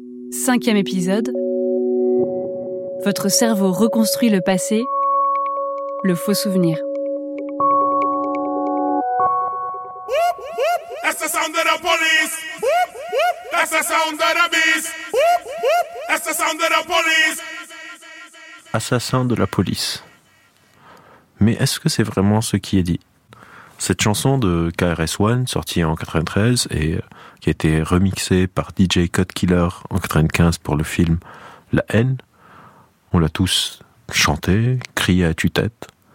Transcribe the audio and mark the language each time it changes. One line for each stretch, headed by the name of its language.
French: Cinquième épisode, votre cerveau reconstruit le passé, le faux souvenir.
English: That's the sound of the police. That's the sound of the beast. That's the sound of the police.
French: Assassin de la police. Mais est-ce que c'est vraiment ce qui est dit? Cette chanson de KRS-One, sortie en 93 et qui a été remixée par DJ Cut Killer en 95 pour le film La Haine, on l'a tous chantée, criée à tue-tête.